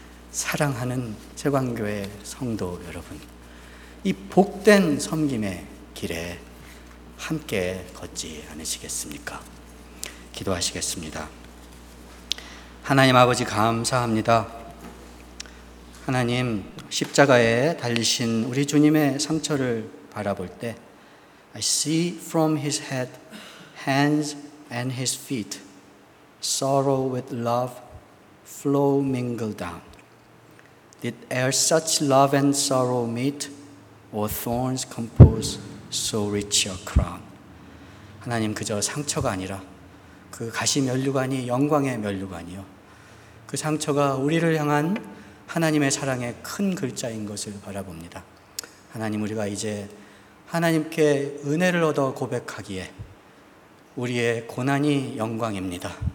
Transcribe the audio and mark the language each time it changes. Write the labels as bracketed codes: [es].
[ko] 사랑하는 제광교회 성도 여러분, 이 복된 섬김의 길에 함께 걷지 않으시겠습니까? 기도하시겠습니다. 하나님 아버지, 감사합니다. 하나님, 십자가에 달리신 우리 주님의 상처를 바라볼 때 [en] I see from his head, hands and his feet, sorrow with love flow mingled down. Did e'er such love and sorrow meet, or thorns compose so rich a crown? [ko] 하나님, 그저 상처가 아니라 그 가시 면류관이 영광의 면류관이요, 그 상처가 우리를 향한 하나님의 사랑의 큰 글자인 것을 바라봅니다. 하나님, 우리가 이제 하나님께 은혜를 얻어 고백하기에 우리의 고난이 영광입니다.